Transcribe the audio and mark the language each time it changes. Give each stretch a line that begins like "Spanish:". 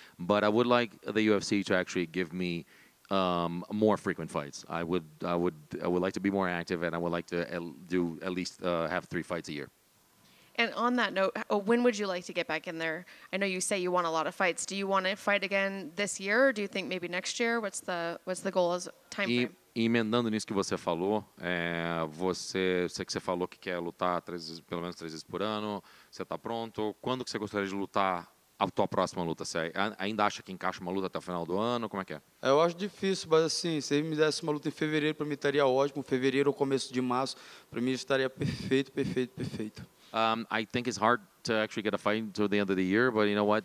English: But I would like the UFC to actually give me more frequent fights. I would like to be more active, and I would like to do at least have 3 fights a year. And on that note, when would you like to get back in there? I know you say you want a lot of fights. Do you want to fight again this year, or do you think maybe next year? What's the goal as time frame?
Portuguese: Emendando nisso que você falou, você falou que quer lutar 3 vezes, pelo menos 3 vezes por ano. Você está pronto? Quando que você gostaria de lutar a tua próxima luta? Você ainda acha que encaixa uma luta até o final do ano? Como é que é? Eu acho difícil, mas assim, se ele me desse uma luta em fevereiro, para mim estaria ótimo. Fevereiro ou começo de março, para mim estaria perfeito, perfeito, perfeito.
English: I think it's hard to actually get a fight until the end of the year, but you know what?